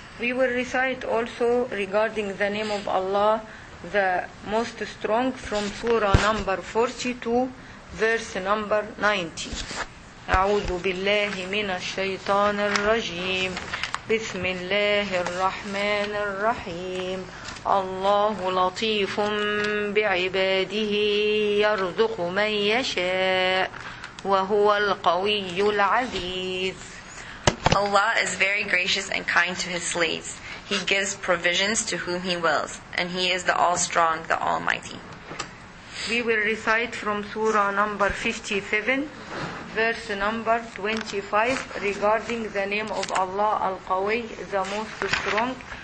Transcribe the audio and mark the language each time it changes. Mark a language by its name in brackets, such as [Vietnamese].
[English] We will recite also regarding the name of Allah, the most strong, from Surah number 42, verse number 19. [Arabic] أعوذ بالله من الشيطان الرجيم. بسم الله الرحمن الرحيم. الله لطيف بعباده يرزق من يشاء وهو القوي العزيز. [English] Allah is very gracious and kind to his slaves. He gives provisions to whom he wills, and he is the all-strong, the almighty. We will recite from surah number 57, verse number 25, regarding the name of Allah Al-Qawi, the most strong.